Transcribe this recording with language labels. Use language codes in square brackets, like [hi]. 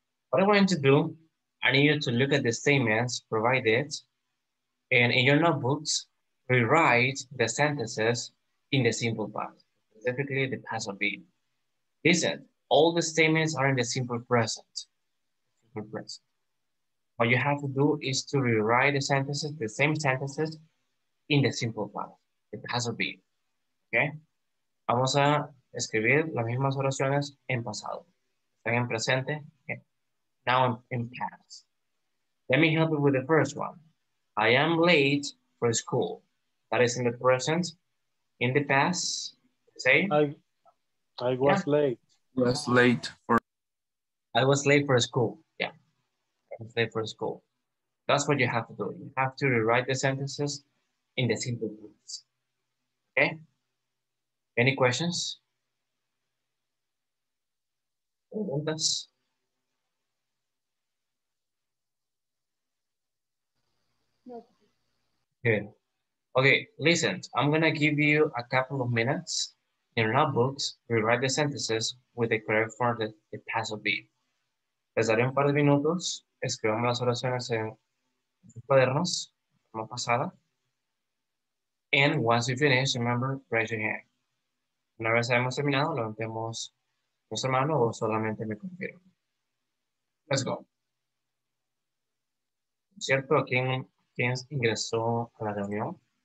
[en] What I want you to do, I need you to look at the statements provided, and in your notebooks, rewrite the sentences in the simple past, specifically the past of being. Listen, all the statements are in the simple present. Simple present. What you have to do is to rewrite the sentences, the same sentences, in the simple past, the past of being. Okay? [es] Vamos a escribir las mismas oraciones en pasado. ¿Están en presente? [en] Okay. Now I'm in past. Let me help you with the first one. I am late for school. That is in the present. In the past, say? I was late for school. Yeah. I was late for school. That's what you have to do. You have to rewrite the sentences in the simple words. Okay? Any questions? [es] ¿Preguntas? [en] Good. Okay, listen, I'm gonna give you a couple of minutes. In your notebooks, rewrite the sentences with the correct form that the past will be. [es] Les daré un par de minutos, escribamos las oraciones en sus cuadernos, forma pasada. [en] And once you finish, remember, raise your hand. [es] Una vez hayamos terminado, levantemos nuestra mano o solamente me confirmo. [en] Let's go. [es] ¿Cierto? ¿Quién ingresó a la reunión?